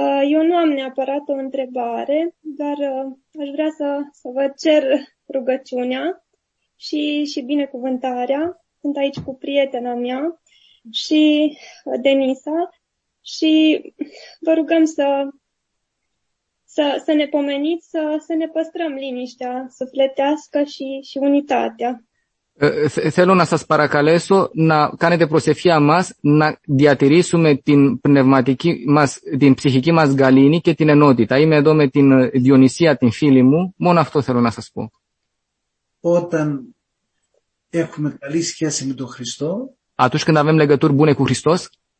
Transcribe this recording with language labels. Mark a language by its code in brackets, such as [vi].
[ro] Eu nu am neapărat o întrebare, dar aș vrea să vă cer rugăciunea și binecuvântarea. Sunt aici cu prietena mea și Denisa și vă rugăm să ne pomeniți să ne păstrăm liniștea sufletească și unitatea. [el] Θέλω να σας παρακαλέσω να κάνετε προσευχή μας να διατηρήσουμε την πνευματική μας, την ψυχική μας γαλήνη και την ενότητα. Είμαι εδώ με την Διονυσία, την φίλη μου. Μόνο αυτό θέλω να σας πω. Όταν έχουμε καλή σχέση με τον Χριστό. [ro] Atunci când avem legături bune cu Hristos,